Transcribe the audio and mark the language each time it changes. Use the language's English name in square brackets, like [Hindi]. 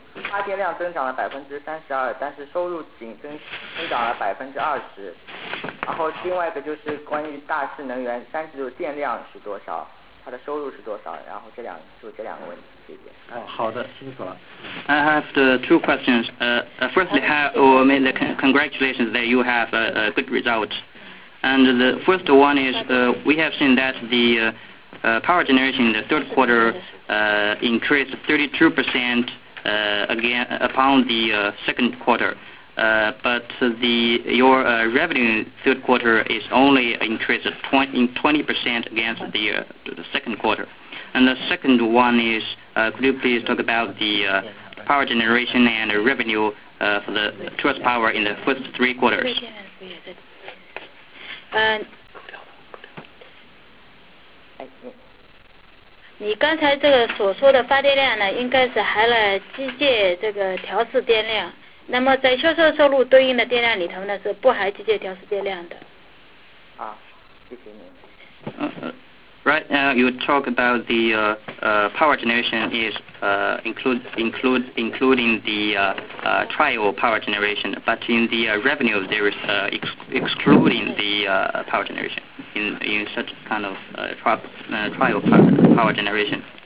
[Chinese] 发电量增长了32%，但是收入仅增长了20%。然后另外一个就是关于大势能源三季度电量是多少，它的收入是多少，然后这两个问题，谢谢。好的，清楚了。 [English] I have the two questions. Firstly, congratulations that you have a good result. And the first one is, we have seen that the power generation in the third quarter increased 32%. Again, upon the second quarter, but your revenue third quarter is only increased 20% against the second quarter. And the second one is, could you please talk about the power generation and revenue for the trust power in the first three quarters? [Chinese] 你刚才这个所说的发电量呢，应该是含了机械这个调试电量。那么在销售收入对应的电量里头呢，是不含机械调试电量的。啊，谢谢您。 [English] Right now, you talk about the power generation is including the trial power generation, but in the revenue, there is excluding the power generation in such kind of trial power generation.